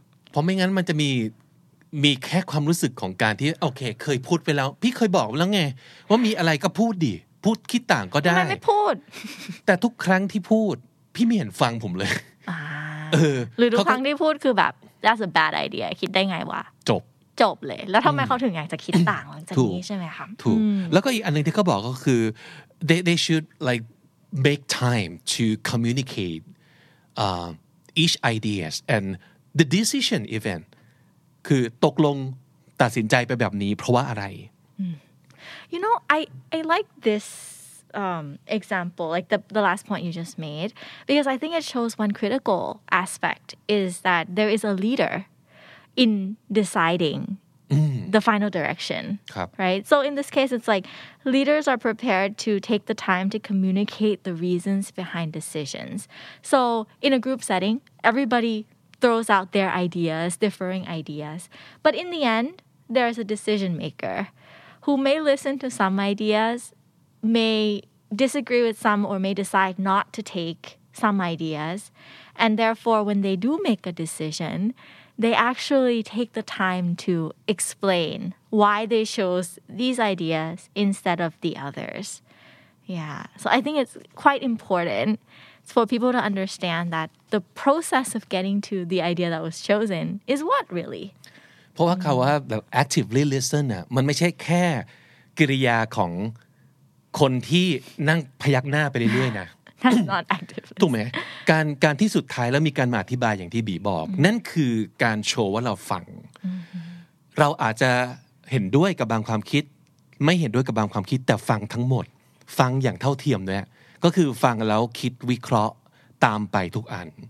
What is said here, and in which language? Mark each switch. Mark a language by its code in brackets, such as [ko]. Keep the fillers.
[th] เพราะไม่งั้นมันจะมีมีแค่ความรู้สึกของการที่โอเค เคยพูดไปแล้ว พี่เคยบอกแล้วไง ว่ามีอะไรก็พูดดิพูดคิดต่างก็ได้ ทำไมไม่พูด? แต่ทุกครั้งที่พูด พี่ไม่เห็นฟังผมเลยเออ หรือทุก เขา ค ก็ รั้งที่พูดคือแบบ [en] that's a bad idea [th] คิดได้ไงวะ จบ จบเลย แล้วทำไมเขาถึงอยากจะคิดต่างหลังจาก ถูก นี้ใช่ไหมคะ ถูกแล้วก็อีกอันหนึงที่เขาบอกก็คือ [en] they they should like make time to communicate uh, each ideas and the decision even [th] คือตกลงตัดสินใจไปแบบนี้เพราะว่าอะไร [en] you know I I like this um, example like the the last point you just made because I think it shows one critical aspect is that there is a leader in deciding the final direction [th] ครับ [en] right so in this case it's like leaders are prepared to take the time to communicate the reasons behind decisions so in a group setting everybody throws out their ideas differing ideas but in the end there's a decision maker who may listen to some ideas, may disagree with some, or may decide not to take some ideas. And therefore, when they do make a decision, they actually take the time to explain why they chose these ideas instead of the others. Yeah. So I think it's quite important for people to understand that the process of getting to the idea that was chosen is what really? [th] เพราะว่าคาว่าแบบ actively listen น่ะมันไม่ใช่แค่กิริยาของคนที่นั่งพยักหน้าไปเรื่อยๆนะ [en] That's not active. [th] ถูกไหมการการที่สุดท้ายแล้วมีการมาอธิบายอย่างที่บีบอก นั่นคือการโชว์ว่าเราฟัง เราอาจจะเห็นด้วยกับบางความคิด ไม่เห็นด้วยกับบางความคิดแต่ฟังทั้งหมด ฟังอย่างเท่าเทียมด้วยก็คือฟังแล้วคิดวิเคราะห์ตามไปทุกอัน